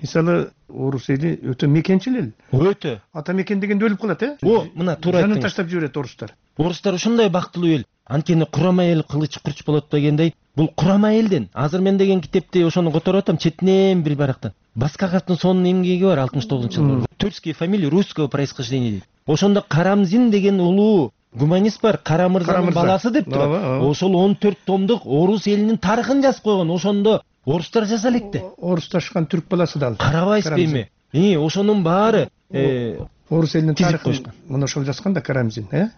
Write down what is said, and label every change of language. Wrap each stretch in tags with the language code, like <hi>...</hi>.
<ky>Мисалы орус эли өтө мекенчил эл. Өтө. Ата мекен дегенде өлүп калат э. О, мына туура айттың. Жанын таштап жиберет орустар. Орустар ушундай бактылуу эл. Анткени курама эл кылыч курч болот дегендей, бул курама элден. Азыр мен деген китепти ошону которуп атам четинен бир барактан. Баскаковдун сонун эмгеги бар 69-жылкы.</ky> <ru>Тульский фамилия русского происхождения дейт.</ru> <ky>Ошондо Карамзин деген улуу гуманист бар, Кара мырзанын баласы деп турат. Ошол 14 томдук орус элинин тарыхын жазып койгон. Ошондо орустар жаза электе. Орусташкан түрк баласы да ал. Карабайсызбы эми? Ошонун баары Орус элинин тарыхын мына ошол жазган да Карамзин, э?</ky>